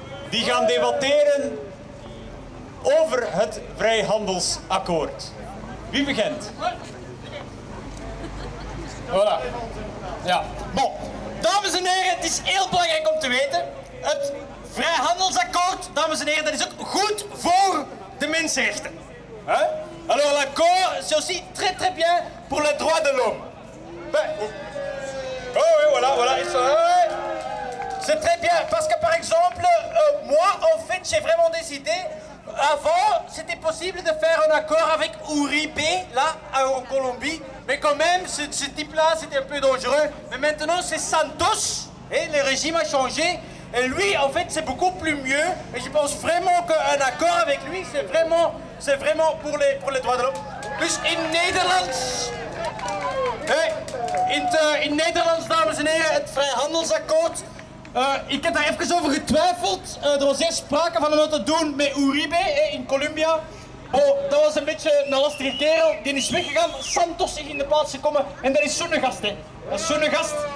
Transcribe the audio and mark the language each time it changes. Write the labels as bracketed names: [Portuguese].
[Dutch] Die gaan debatteren over het vrijhandelsakkoord. Wie begint? Voilà. Ja. Bon. Dames en heren, het is heel belangrijk om te weten. Het vrijhandelsakkoord, dames en heren, dat is ook goed voor de mensenrechten. Huh? [French] Alors, l'accord, c'est aussi très très bien pour les droits de l'homme. Ben, oh oui, voilà. C'est très bien, parce que par exemple, moi, en fait, j'ai vraiment décidé, avant, c'était possible de faire un accord avec Uribe, là, en Colombie. Mais quand même, ce type-là, c'était un peu dangereux. Mais maintenant, c'est Santos, et le régime a changé. Et lui, en fait, c'est beaucoup plus mieux. Et je pense vraiment qu'un accord avec lui, c'est vraiment pour les droits de l'homme. [Dutch] Plus in Nederland. In Nederland, dames en heren, het vrijhandelsakkoord. Ik heb daar even over getwijfeld. Er was eerst sprake van om dat te doen met Uribe in Colombia. Oh, dat was een beetje een lastige kerel. Die is weggegaan. Santos is in de plaats gekomen. En dat is zo'n gast, hè. Dat is zo'n gast.